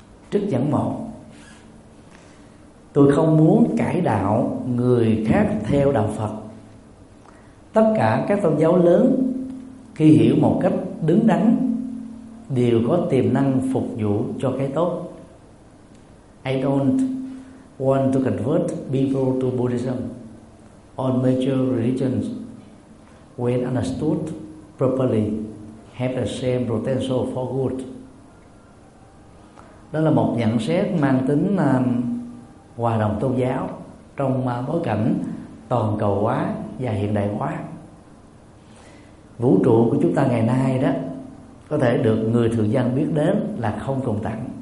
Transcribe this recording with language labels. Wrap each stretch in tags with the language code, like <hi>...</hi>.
<vi>Trích dẫn một: tôi không muốn cải đạo người khác theo đạo Phật. Tất cả các tôn giáo lớn khi hiểu một cách đứng đắn đều có tiềm năng phục vụ cho cái tốt.</vi> <en>I don't want to convert people to Buddhism or major religions when understood properly have the same potential for good.</en> <vi>Đó là một nhận xét mang tính hòa đồng tôn giáo trong bối cảnh toàn cầu hóa và hiện đại hóa. Vũ trụ của chúng ta ngày nay đó có thể được người thường dân biết đến là không cùng tận.</vi>